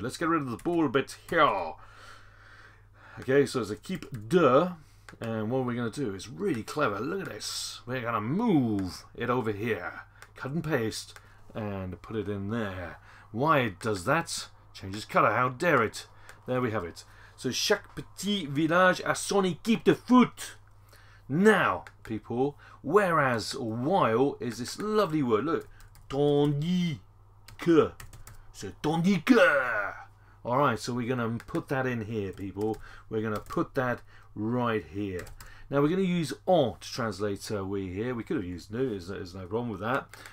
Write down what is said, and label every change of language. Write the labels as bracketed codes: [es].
[en] Let's get rid of the ball bit here. Okay, so it's équipe de, and what we're going to do is really clever. Look at this. We're going to move it over here, cut and paste, and put it in there. Why it does that? Changes color. How dare it? There we have it. [fr] So chaque petit village a son équipe de foot. [en] Now, people, whereas or while is this lovely word. Look, tandis que. So tandis que. All right, so we're going to put that in here, people. We're going to put that right here. Now, we're going to use on to translate we here. We could have used no, there's no problem with that.